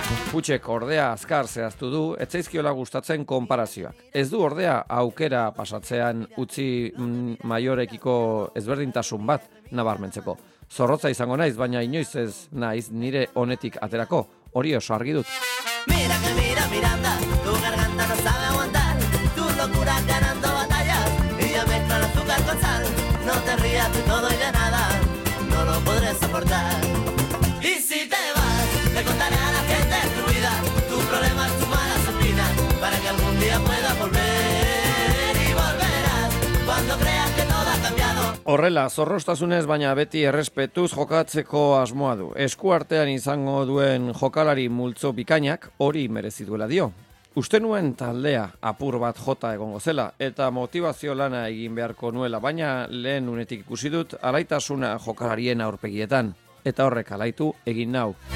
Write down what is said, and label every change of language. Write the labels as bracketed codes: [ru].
[eu] Putxek ordea azkar zehaztu du, ez zaizkiola gustatzen konparazioak. Ez du ordea aukera pasatzean utzi Mayorekiko ezberdintasun bat nabarmentzeko. Zorrotza izango naiz, baina inoiz ez naiz nire honetik aterako. Hori oso argi dut. [es] Mira que mira Miranda, tu garganta no sabe aguantar, tu locura ganando batallas, y ya mezcla el azúcar con sal, no te rías de todo y de nada, no lo podré soportar. Y si te vas, le contaré a la gente tu vida, tus problemas, tus malas espinas, para que algún día pueda volver, y volverás, cuando creas que todo ha cambiado. [eu] Horrela, zorroztasunez baina beti errespetuz jokatzeko asmoa du. Esku artean izango duen jokalari multzo bikainak hori merezi duela dio. Uste nuen taldea apur bat jota egongo zela eta motivazio lana egin beharko nuela, baina lehen unetik ikusi dut alaitasuna jokalarien aurpegietan eta horrek alaitu egin nau.